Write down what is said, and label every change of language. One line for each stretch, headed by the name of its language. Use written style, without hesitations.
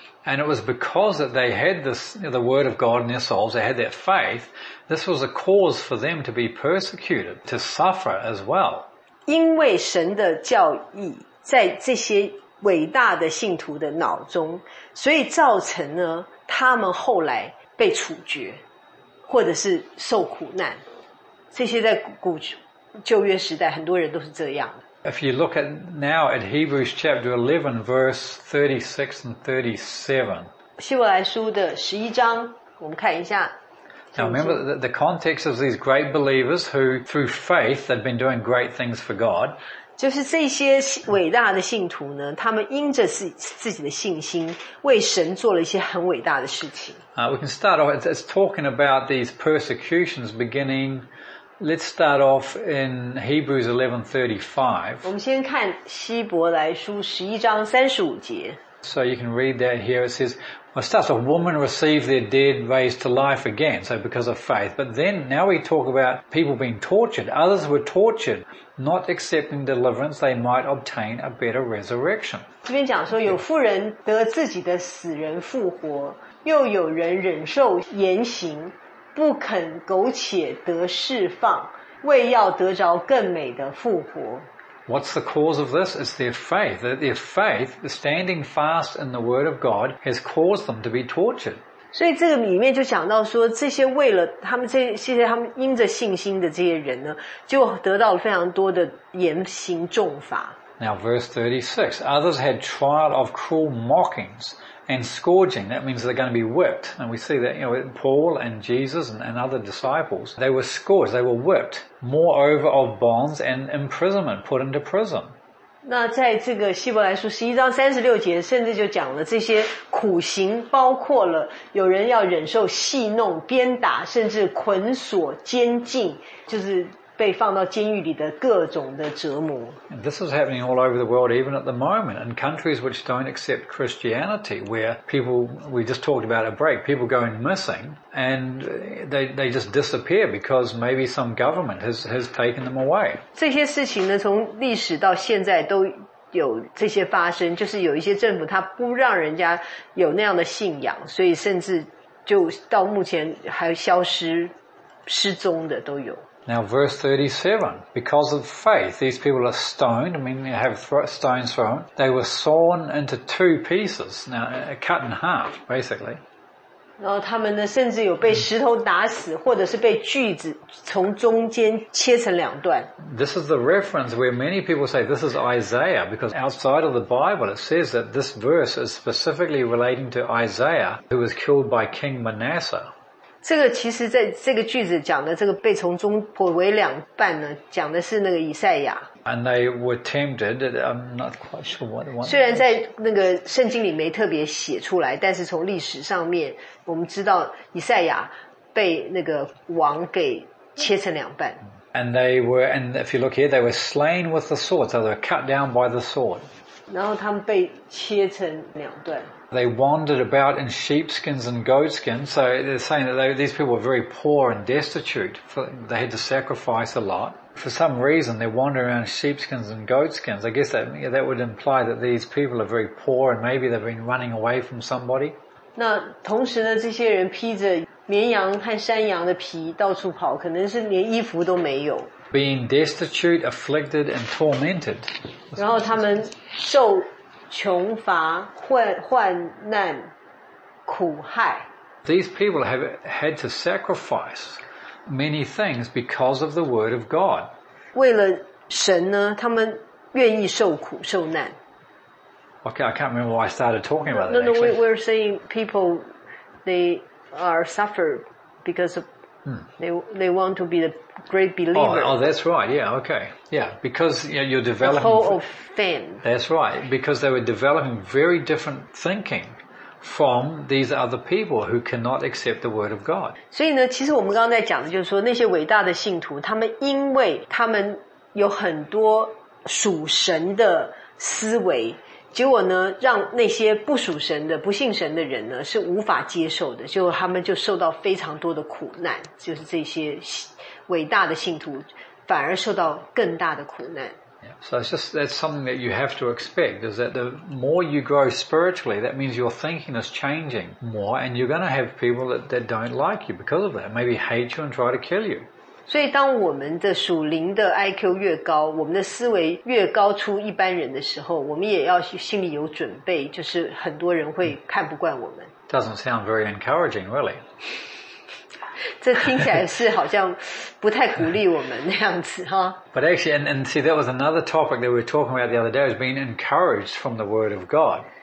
English: And it was because that they had this, you know, the word of God in their souls, they had that faith, this was a cause for them to be persecuted, to suffer as well.
Chinese: 因为神的教义在这些伟大的信徒的脑中，所以造成呢，他们后来被处决，或者是受苦难。这些在古旧约时代很多人都是这样的。
English: If you look at now at Hebrews chapter 11, verse 36 and 37.
Chinese: 希伯来书的十一章，我们看一下。
English: Now remember the context of these great believers who through faith had been doing great things for God.
Chinese: 就是这些伟大的信徒呢，他们因着自己的信心，为神做了一些很伟大的事情。
English: We can start off, it's talking about these persecutions beginning, let's start off in Hebrews 11:35.
Chinese: 我们先看希伯来书十一章三十五节。
English: So you can read that here, it says,Well, it starts, a woman received their dead raised to life again, so because of faith. But then, now we talk about people being tortured. Others were tortured, not accepting deliverance, they might obtain a better resurrection.
Chinese: 这边讲说有妇人得自己的死人复活，又有人忍受严刑，不肯苟且得释放，为要得着更美的复活。
English: What's the cause of this? It's their faith. Their faith, standing fast in the word of God, has caused them to be tortured.
Chinese: 所以这个里面就讲到说，这些为了他们这些他们因着信心的这些人呢，就得到了非常多的严刑重罚。
English: Now, verse 36. Others had trial of cruel mockings and scourging. That means they're going to be whipped. And we see that, you know, Paul and Jesus and other disciples, they were scourged, they were whipped. Moreover, of bonds and imprisonment put into prison.
Chinese: 那在这个希伯来书十一章三十六节，甚至就讲了这些苦行包括了有人要忍受戏弄、鞭打，甚至捆锁、监禁，就是被放到监狱里的各种的折磨。
English: This is happening all over the world, even at the moment, in countries which don't accept Christianity, where people, we just talked about a break, people going missing, and they just disappear because maybe some government has taken them away.
Chinese: 这些事情呢，从历史到现在都有这些发生，就是有一些政府他不让人家有那样的信仰，所以甚至就到目前还消失、失踪的都有。
English: Now, verse 37, because of faith, these people are stoned, I mean, they have stones thrown. They were sawn into two pieces, now, cut in half, basically.
Chinese: 然后他们呢，甚至有被石头打死，或者是被锯子从中间切成两段。
English: This is the reference where many people say this is Isaiah, because outside of the Bible, it says that this verse is specifically relating to Isaiah, who was killed by King Manasseh.
Chinese: 这个其实在这个句子讲的这个被从中破为两半呢，讲的是那个以赛亚。
English: And they were tempted. I'm not quite sure what one.
Chinese: 虽然在那个圣经里没特别写出来，但是从历史上面我们知道以赛亚被那个王给切成两半。
English: And they were, and if you look here, they were slain with the sword, so they were cut down by the sword.
Chinese: 然后他们被切成两段。
English: They wandered about in sheepskins and goatskins, so they're saying that these people were very poor and destitute. They had to sacrifice a lot. For some reason, they're wandering around in sheepskins and goatskins. I guess that would imply that these people are very poor and maybe they've been running away from somebody.
Chinese: 那同时呢，这些人披着绵羊和山羊的皮到处跑，可能是连衣服都没有。
English: Being destitute, afflicted, and tormented.
Chinese: 然后他们受穷乏、患难、苦害。
English: These people have had to sacrifice many things because of the word of God.
Chinese: 为了神呢，他们愿意受苦受难。
English: Okay, I can't remember why I started talking about that. No, we're saying people they are suffer because of. They want to be the great believer. Oh, that's right. Yeah, okay. Yeah, because you know, you're developing. The whole of fame. That's right. Because they were developing very different thinking from these other people who cannot accept the word of God.
Chinese: 所以呢，其实我们刚刚在讲的就是说，那些伟大的信徒，他们因为他们有很多属神的思维，结果呢，让那些不属神的、不信神的人呢，是无法接受的。结果他们就受到非常多的苦难，就是这些伟大的信徒反而受到更大的苦难。
English: So it's just that's something that you have to expect is that the more you grow spiritually, that means your thinking is changing more, and you're going to have people that don't like you because of that, maybe hate you and try to kill you.
Chinese: 所以，当我们的属灵的 IQ 越高，我们的思维越高出一般人的时候，我们也要心里有准备，就是很多人会看不惯我们。
English: Doesn't sound very encouraging, really.
Chinese: 这听起来是好像不太鼓励我们那样子哈。
English: But actually, and see, that was another topic that we were talking about the other day, is being encouraged from the Word of God.